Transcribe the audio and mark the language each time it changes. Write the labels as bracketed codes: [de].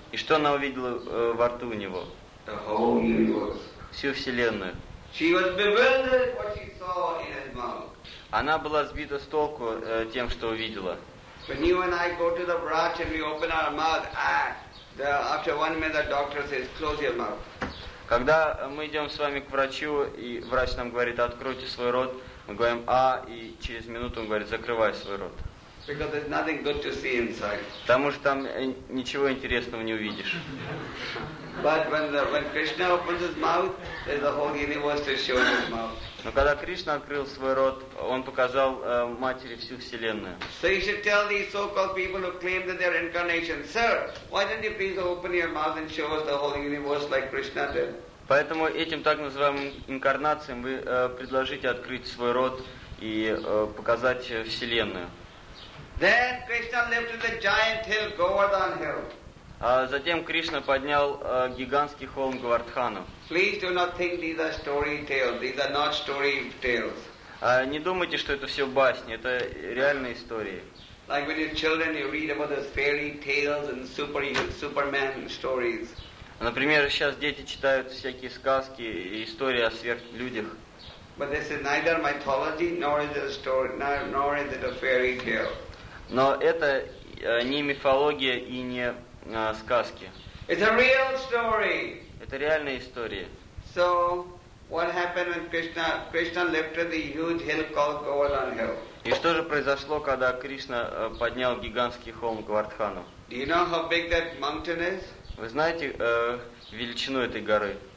[ru] И что она увидела во рту у него? [en] The whole universe. [ru] Всю вселенную. [en] She was bewildered what she saw in his mouth. [ru] Она была сбита с толку тем, что увидела. [en] When you and I go to the branch and we open our mouth, after 1 minute the doctor says, "Close your mouth." [ru] Когда мы идем с вами к врачу, и врач нам говорит: "Откройте свой рот", мы говорим: "А", и через минуту он говорит: "Закрывай свой рот". [en] Because there's nothing good to see inside. [ru] Потому что там ничего интересного не увидишь. [en] But when Krishna opens his mouth, there's the whole universe to show in his mouth. [ru] Но когда Кришна открыл свой рот, он показал матери всю вселенную. [en] So you should tell these so-called people who claim that they're incarnation, "Sir, why don't you please open your mouth and show us the whole universe like Krishna did?" [ru] Поэтому этим так называемым инкарнациям вы предложите открыть свой рот и показать вселенную. [en] Then Krishna lifted the giant hill, Govardhan Hill. [ru] А затем Кришна поднял гигантский холм Говардхану. [en] Please do not think these are story tales. These are not story tales. [ru] Не думайте, что это все басни. Это реальные истории. [en] Like when you're children, you read about those fairy tales and Superman stories. [ru] Например, сейчас дети читают всякие сказки и истории о сверхлюдях. [en] But this is neither mythology nor is it a story, nor is it a fairy tale. [ru] Но это не мифология и не сказки. [en] It's a real story. [ru] Это реальная история. [en] So, what happened when Krishna lifted the huge hill called Govardhan Hill? [ru] И что же произошло, когда Кришна поднял гигантский холм Говардхану? [en] Do you know how big that mountain is? [ru] Вы знаете величину этой горы?